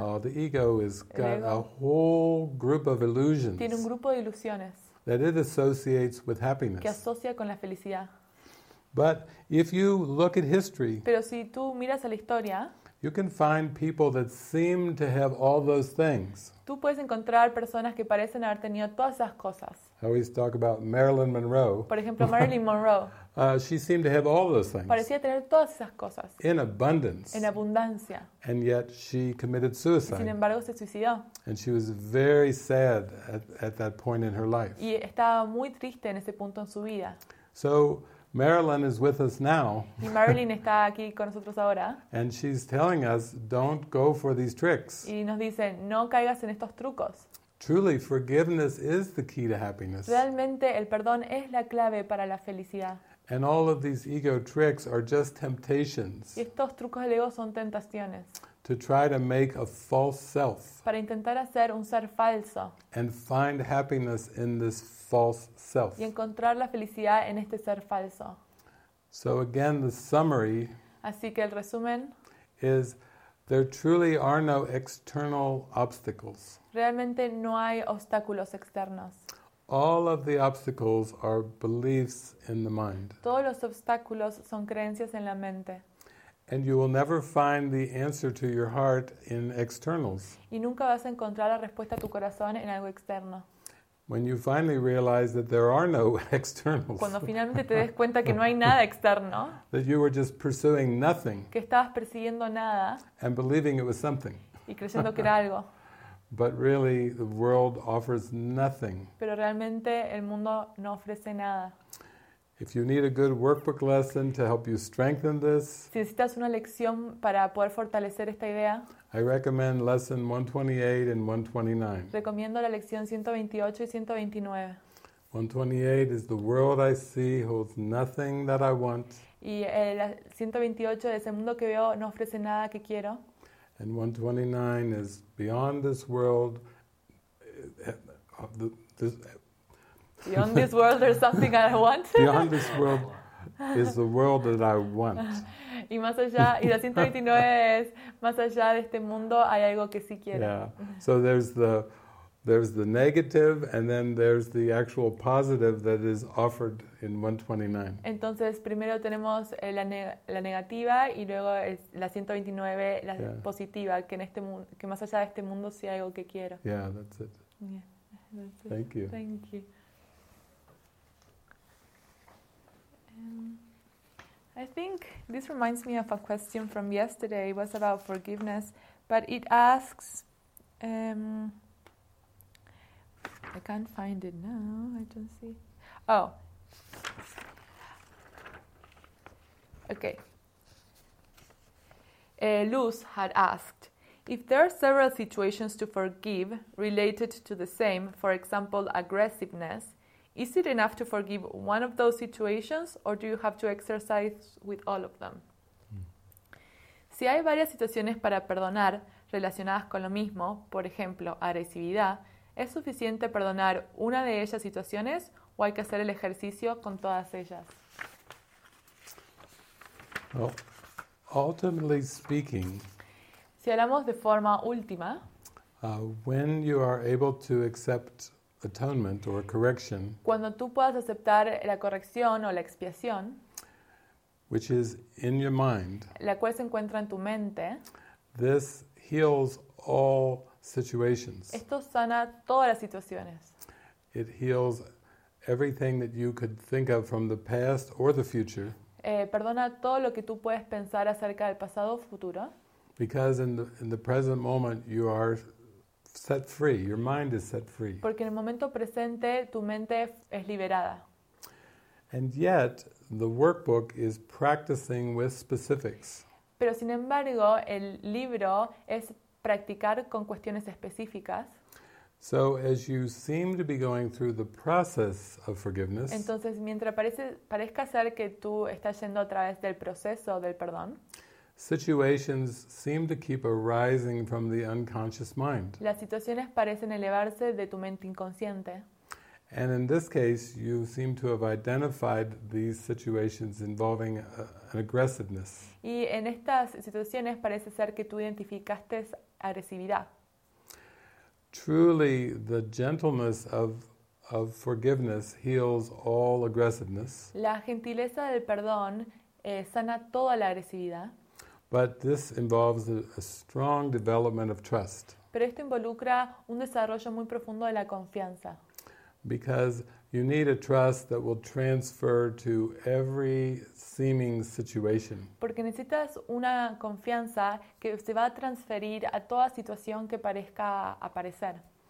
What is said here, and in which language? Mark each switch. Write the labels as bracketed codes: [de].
[en] Oh, the ego has got a whole group of illusions. [es] Tiene un grupo de ilusiones [en] that it associates with happiness. [es] Que asocia con la felicidad. [en] But if you look at history, [es] pero si tú miras a la historia, [en] you can find people that seem to have all those things. [es] Tú puedes encontrar personas que parecen haber tenido todas esas cosas. [en] I always talk about Marilyn Monroe. [es] Por ejemplo, Marilyn Monroe. [en] She seemed to have all those things. [es] Parecía tener todas esas cosas. [en] In abundance. [es] En abundancia. [en] And yet she committed suicide. [es] Y sin embargo se suicidó. [en] And she was very sad at that point in her life. [es] Y estaba muy triste en ese punto en su vida. [en] So Marilyn is with us now. [es] Y Marilyn está aquí con nosotros ahora. [en] And she's telling us, don't go for these tricks. [es] Y nos dice, no caigas en estos trucos. [en] Truly, forgiveness is the key to happiness. [es] Realmente, el perdón es la clave para la felicidad. [en] And all of these ego tricks are just temptations. [es] Y estos trucos del ego son tentaciones. [en] To try to make a false self. [es] Para intentar hacer un ser falso. [en] And find happiness in this false self. [es] Y encontrar la felicidad en este ser falso. [en] So again, the summary. [es] Así que el resumen. [en] Is there truly are no external obstacles. [es] Realmente no hay obstáculos externos. [en] All of the obstacles are beliefs in the mind. [es] Todos los obstáculos son creencias en la mente. [en] And you will never find the answer to your heart in externals. [es] Y nunca vas a encontrar la respuesta a tu corazón en algo externo. [en] When you finally realize that there are no externals. [es] Cuando finalmente te des cuenta que no hay nada externo. [en] That you were just pursuing nothing. [es] Que estabas persiguiendo nada. [en] And believing it was something. [es] Y creyendo que era algo. [en] But really, the world offers nothing. [es] Pero realmente el mundo no ofrece nada. [en] If you need a good workbook lesson to help you strengthen this, [es] si necesitas una lección para poder fortalecer esta idea, [en] I recommend lesson 128 and 129. [es] Recomiendo la lección 128 y 129. [en] 128 is the world I see holds nothing that I want. [es] Y el 128 es el mundo que veo no ofrece nada que quiero. [en] And 129 is beyond this world. Beyond this world, there's something I want. Beyond this world, is the world that I want. [es] Y más allá, y la 129 es más allá de este mundo, hay algo que sí quiero. [en] Yeah. So there's the negative, and then there's the actual positive that is offered in 129. [es] Entonces, primero tenemos la negativa y luego es la 129, la positiva, que en este que más allá de este mundo sí hay algo que quiero. [en] Yeah, that's it. Yeah. Thank you. Thank you. I think this reminds me of a question from yesterday. It was about forgiveness, but it asks, I can't find it now. I don't see. Oh. Okay. Luz had asked, if there are several situations to forgive related to the same, for example, aggressiveness, is it enough to forgive one of those situations, or do you have to exercise with all of them? [es] Si hay varias situaciones para perdonar relacionadas con lo mismo, por ejemplo, agresividad, ¿es suficiente perdonar una de esas situaciones o hay que hacer el ejercicio con todas ellas? [en] Well, ultimately speaking, [es] si hablamos de forma última, [en] when you are able to accept atonement or correction, [es] cuando tú puedas aceptar la corrección o la expiación, [en] which is in your mind, [es] la cual se encuentra en tu mente, [en] this heals all situations. [es] Esto sana todas las situaciones. [en] It heals everything that you could think of from the past or the future. [es] Perdona todo lo que tú puedes pensar acerca del pasado o futuro. [en] Because in the present moment you are set free, your mind is set free. [es] Porque en el momento presente tu mente es liberada. [en] And yet the workbook is practicing with specifics. [es] Pero sin embargo, el libro es practicar con cuestiones específicas. [en] So as you seem to be going through the process of forgiveness, [es] entonces mientras parezca ser que tú estás yendo a través del proceso del perdón, [en] situations seem to keep arising from the unconscious mind. [es] Las situaciones parecen elevarse de tu mente inconsciente. [en] And in this case, you seem to have identified these situations involving an aggressiveness. [es] Y en estas situaciones parece ser que tú identificaste agresividad. [en] Truly, the gentleness of forgiveness heals all aggressiveness. [es] La gentileza del perdón sana toda la agresividad. [en] But this involves a strong development of trust. [es] Pero esto involucra un desarrollo muy profundo de la confianza. [en] Because you need a trust that will transfer to every seeming situation. [es] Porque necesitas una confianza que se va a transferir a toda situación que parezca aparecer.